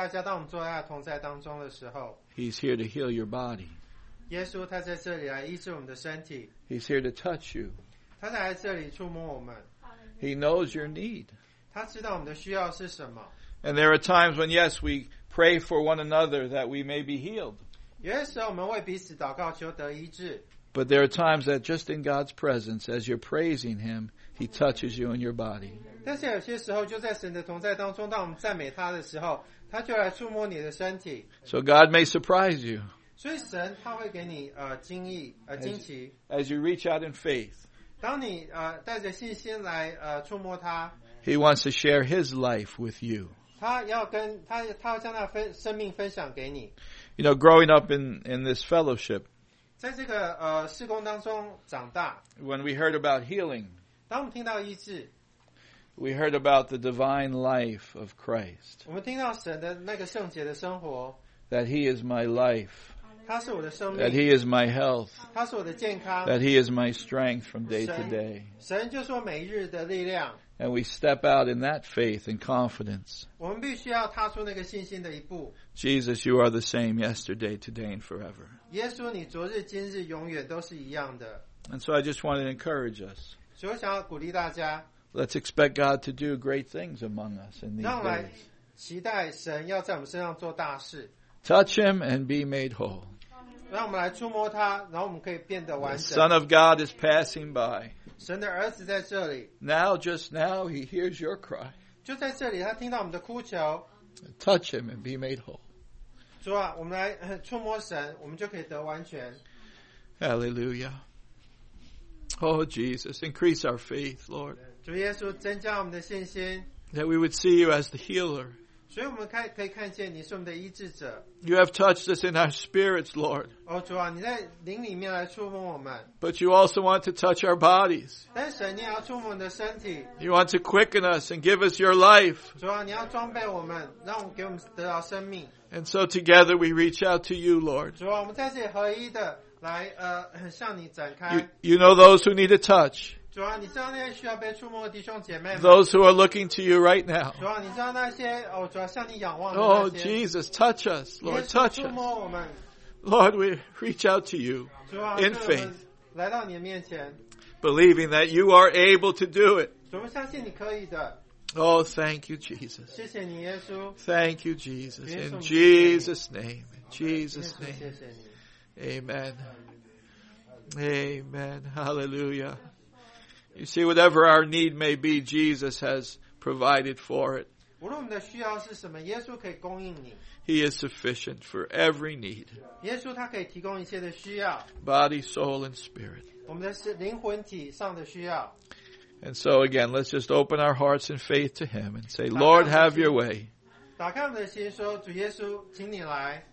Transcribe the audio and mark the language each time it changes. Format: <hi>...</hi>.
<zh>我要提醒大家，当我们坐在他同在当中的时候，</zh> <en>he's here to heal your body.</en> <zh>耶稣他在这里来医治我们的身体。</zh> <en>He's here to touch you.</en> <zh>他在这里触摸我们。</zh> <en>He knows your need.</en> <zh>他知道我们的需要是什么。</zh> <en>And there are times when, yes, we pray for one another that we may be healed.</en> <zh>有些时候我们为彼此祷告求得医治。</zh> <en>But there are times that just in God's presence, as you're praising Him, He touches you in your body.</en> <zh>但是有些时候，就在神的同在当中，当我们赞美他的时候，他就来触摸你的身体。</zh> <en>So God may surprise you.</en> <zh>所以神他会给你惊异惊奇。</zh> <en>As you reach out in faith.</en> <zh>当你带着信心来触摸他。</zh> <en>He wants to share His life with you.</en> <zh>他要跟他他要将他分生命分享给你。</zh> <en>You know, growing up in this fellowship.</en> <zh>在这个事工当中长大。</zh> <en>When we heard about healing.</en> <zh>当我们听到医治,</zh> <en>we heard about the divine life of Christ.</en> <zh>我们听到神的那个圣洁的生活,</zh> <en>that He is my life.</en> <zh>他是我的生命,</zh> <en>that He is my health.</en> <zh>他是我的健康,</zh> <en>that He is my strength from day to day.</en> <zh>神就是我每日的力量。</zh> <en>And we step out in that faith and confidence.</en> <zh>我们必须要踏出那个信心的一步。</zh> <en>Jesus, You are the same yesterday, today, and forever.</en> <zh>耶稣你昨日今日永远都是一样的。</zh> <en>And so I just want to encourage us.</en> <zh>所以我想要鼓励大家,</zh> <en>Let's expect God to do great things among us in these days.</en> <zh>让我来期待神要在我们身上做大事。</zh> <en>Touch Him and be made whole.</en> <zh>让我们来触摸他，然后我们可以变得完整。</zh> <en>The Son of God is passing by.</en> <zh>神的儿子在这里。</zh> <en>Now, just now, He hears your cry.</en> <zh>就在这里，他听到我们的哭求。</zh> <en>Touch Him and be made whole.</en> <zh>主啊，我们来触摸神，我们就可以得完全。</zh> <en>Hallelujah. Oh, Jesus, increase our faith, Lord.</en> <zh>主耶稣增加我们的信心。</zh> <en>That we would see you as the healer.</en> <zh>所以我们可以看见你是我们的医治者。</zh> <en>You have touched us in our spirits, Lord.</en> <zh>哦，主啊，你在灵里面来触摸我们。</zh> <en>But you also want to touch our bodies.</en> <zh>但神，你要触摸我们的身体。</zh> <en>You want to quicken us and give us your life.</en> <zh>主啊，你要装备我们，让我们给我们得到生命。</zh> <en>And so together we reach out to you, Lord.</en> <zh>主啊，我们在这里合一的。来向你展开。</zh> <en>You know those who need a touch.</en> <zh>主啊，你知道那些需要被触摸的弟兄姐妹吗？</zh> <en>Those who are looking to you right now.</en> <zh>主啊，你知道那些主啊，向你仰望的那些。</zh> <en>Oh, Jesus, touch us, Lord, touch us.</en> <zh>耶稣触摸我们。</zh> <en>Lord, we reach out to you.</en> <zh>主啊，我们来到你的面前。</zh> <en>Believing that you are able to do it.</en> <zh>主啊，相信你可以的。</zh> <en>Oh, thank you, Jesus.</en> <zh>谢谢你，耶稣。</zh> <en>Thank you, Jesus. In Jesus' name. Jesus' name.</en> <zh>谢谢你。</zh> <en>Amen. Amen. Hallelujah. You see, whatever our need may be, Jesus has provided for it.</en> <zh>无论我们的需要是什么，耶稣可以供应你。</zh> <en>He is sufficient for every need.</en> <zh>耶稣他可以提供一切的需要。</zh> <en>Body, soul, and spirit.</en> <zh>我们的是灵魂体上的需要。</zh> <en>And so again, let's just open our hearts in faith to Him and say, Lord, have your way.</en> <zh>打开我们的心说，主耶稣，请你来。</zh>